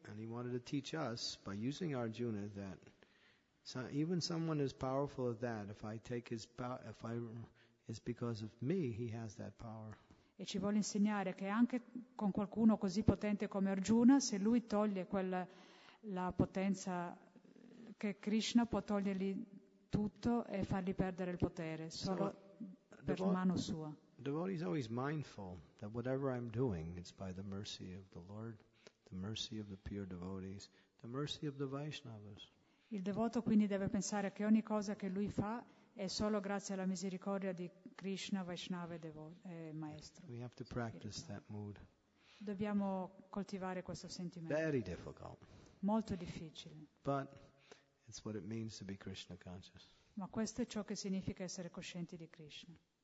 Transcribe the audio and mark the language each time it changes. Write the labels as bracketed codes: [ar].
[en] And he wanted to teach us by using Arjuna that even someone as powerful as that, if I take his power, if I, it's because of me he has that power. [it] E ci vuole insegnare che anche con qualcuno così potente come Arjuna, se lui toglie quella, la potenza, che Krishna può togliergli tutto e fargli perdere il potere solo per mano sua. [en] Devotee is always mindful that whatever I'm doing, it's by the mercy of the Lord, the mercy of the pure devotees, the mercy of the Vaishnavas. [it] Il devoto quindi deve pensare che ogni cosa che lui fa è solo grazie alla misericordia di Krishna, Vaishnava e Maestro. [en] We have to practice that mood. [it] Dobbiamo coltivare questo sentimento. [en] Very difficult. [it] Molto difficile. [en] But it's what it means to be Krishna conscious. [it] Ma questo è ciò che significa essere coscienti di Krishna.